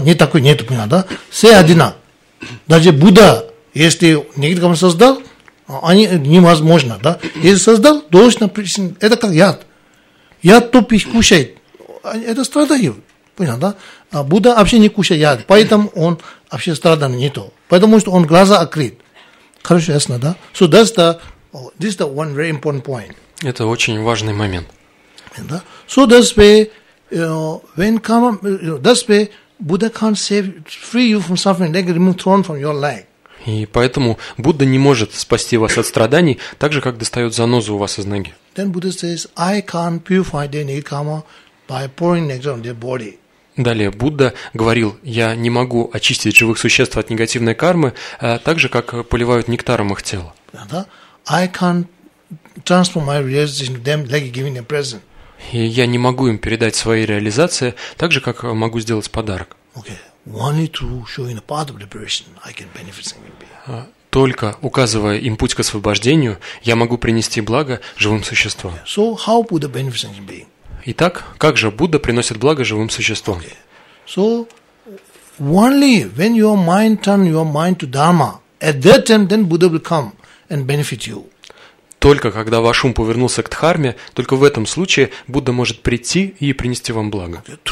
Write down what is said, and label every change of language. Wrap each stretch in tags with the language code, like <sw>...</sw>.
<ru>Не такой, нету, понятно, да? Все одинаково. Даже Будда, если некий кому создал, они невозможно, да? Если создал, должен причинить. Это как яд. Яд то кушает. Это страдает. Понятно, да? А Будда вообще не кушает яд. Поэтому он вообще страдан не то. Потому что он глаза открыт. Хорошо, ясно, да?</ru> <en>So that's the, this is the one very important point.</en> <ru>Это очень важный момент. Да?</ru> <en>So that's why, when karma, that's why Buddha can't save, free you from suffering, like remove thorn from your leg.</en> <ru>И поэтому Будда не может спасти вас от страданий, так же, как достает занозу у вас из ноги.</ru> <en>Then Buddha says, I can't purify the negative karma by pouring nectar on their body.</en> <ru>Далее Будда говорил, я не могу очистить живых существ от негативной кармы, так же, как поливают нектаром их тело. Да?</ru> <en>I can't transform my realization to them like giving a present.</en> <ru>И я не могу им передать свои реализации так же, как могу сделать подарок.</ru> <en>Okay. Only through showing a path of liberation, I can benefit somebody.</en> <ru>Только указывая им путь к освобождению, я могу принести благо живым существам.</ru> <en>Okay. So how Buddha benefits somebody?</en> <ru>Итак, как же Будда приносит благо живым существам? Okay.</ru> <en>So only when your mind turn your mind to Dharma, at that time then Buddha will come and benefit you.</en> <ru>Только когда ваш ум повернулся к Дхарме, только в этом случае Будда может прийти и принести вам благо.</ru>